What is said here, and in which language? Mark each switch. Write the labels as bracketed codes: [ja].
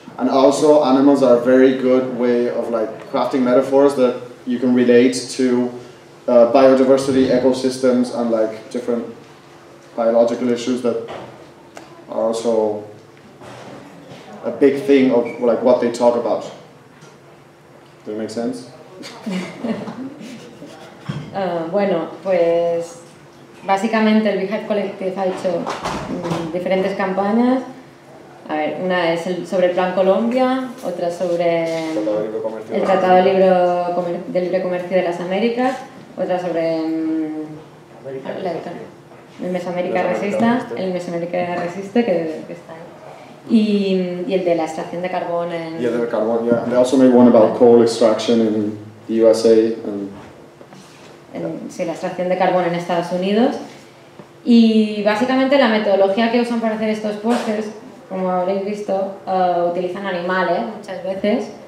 [en] And also, animals are a very good way of like crafting metaphors that you can relate to biodiversity, ecosystems, and like different biological issues that also a big thing of like what they talk about. Does it make sense? [es] Bueno, pues básicamente el Beehive Collective ha hecho diferentes campañas. A ver, una es el, sobre el Plan Colombia, otra sobre el Tratado de Libre Comercio de las Américas, otra sobre el Mesoamérica Resista, el Mesoamérica Resiste, que está ahí. Y el de la extracción de carbón en... [en] Yeah, the carbon, yeah. And they also made one about coal extraction in the USA. And... [es] Sí, la extracción de carbón en Estados Unidos. Y básicamente la metodología que usan para hacer estos postes, como habréis visto, utilizan animales muchas veces.